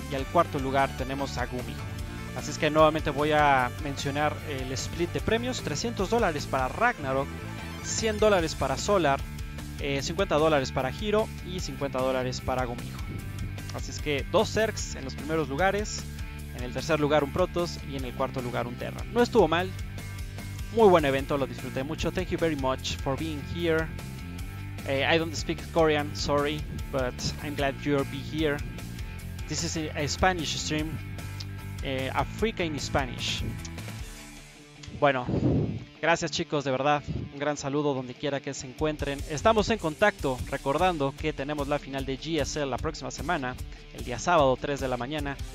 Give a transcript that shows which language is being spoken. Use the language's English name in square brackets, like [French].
[Spanish] Y al cuarto lugar tenemos a Gumi. Así es que nuevamente voy a mencionar el split de premios: $300 para Ragnarok, $100 para Solar, $50 para Hiro y $50 para Gumiho. Así es que dos Zergs en los primeros lugares, en el tercer lugar un Protoss y en el cuarto lugar un Terra. No estuvo mal, muy buen evento, lo disfruté mucho. [English] Thank you very much for being here. I don't speak Korean, sorry, but I'm glad you're here. This is a Spanish stream. Africa in Spanish. [Spanish] Bueno, gracias chicos, de verdad. Un gran saludo donde quiera que se encuentren. Estamos en contacto, recordando que tenemos la final de GSL la próxima semana, el día sábado, 3 de la mañana.